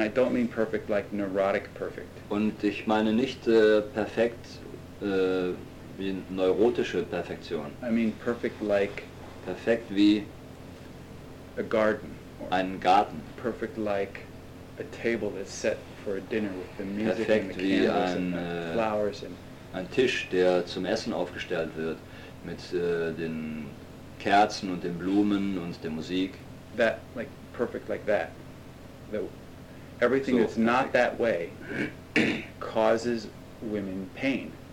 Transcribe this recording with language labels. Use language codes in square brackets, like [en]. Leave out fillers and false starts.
[en] And I don't mean perfect like neurotic perfect. [de] Und ich meine nicht perfekt wie neurotische Perfektion. [en] I mean perfect like [de] perfekt wie [en] a garden. [de] Einen Garten. [en] Perfect like a table that's set for a dinner with the music and the candles and flowers and [de] ein Tisch, der zum Essen aufgestellt wird mit den Kerzen und den Blumen und der Musik. [en] That like perfect like that. That everything so that's perfect. Not that way causes women pain.